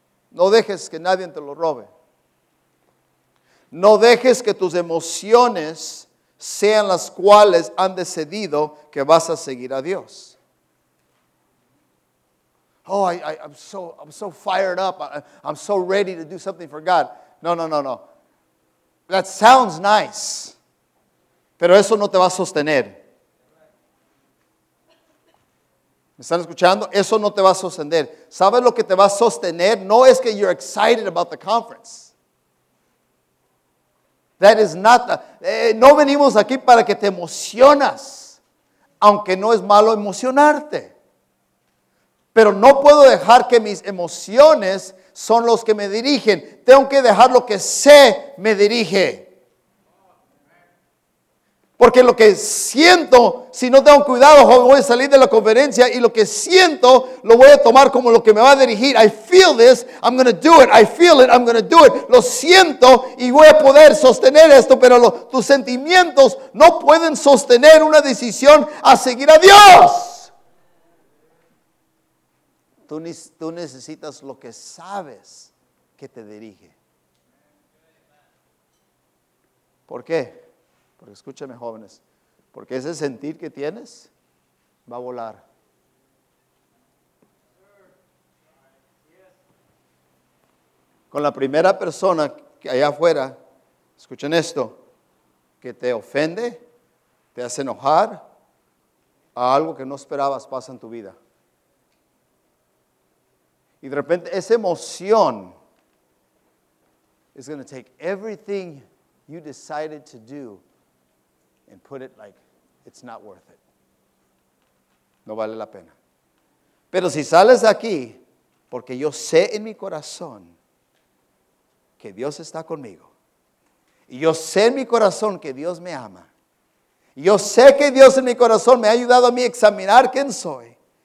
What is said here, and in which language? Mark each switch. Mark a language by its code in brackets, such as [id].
[es] No dejes que nadie te lo robe. No dejes que tus emociones sean las cuales han decidido que vas a seguir a Dios. [en] Oh, I'm so fired up. I'm so ready to do something for God. No. That sounds nice. [es] Pero eso no te va a sostener. ¿Me están escuchando? Eso no te va a sostener. ¿Sabes lo que te va a sostener? No es que [en] you're excited about the conference. That is not [es] no venimos aquí para que te emocionas. Aunque no es malo emocionarte. Pero no puedo dejar que mis emociones son los que me dirigen. Tengo que dejar lo que sé me dirige. Porque lo que siento, si no tengo cuidado, voy a salir de la conferencia y lo que siento lo voy a tomar como lo que me va a dirigir. [en] I feel this, I'm going to do it. I feel it, I'm going to do it. [es] Lo siento y voy a poder sostener esto, pero tus sentimientos no pueden sostener una decisión a seguir a Dios. Tú necesitas lo que sabes que te dirige. ¿Por qué? Porque escúchame, jóvenes. Porque ese sentir que tienes va a volar. Con la primera persona que allá afuera, escuchen esto, que te ofende, te hace enojar a algo que no esperabas pasa en tu vida. Y de repente esa emoción [en] is going to take everything you decided to do and put it like it's not worth it. [es] No vale la pena. Pero si sales de aquí, porque yo sé en mi corazón que Dios está conmigo. Y yo sé en mi corazón que Dios me ama. Y yo sé que Dios en mi corazón me ha ayudado a mí a examinar quién soy.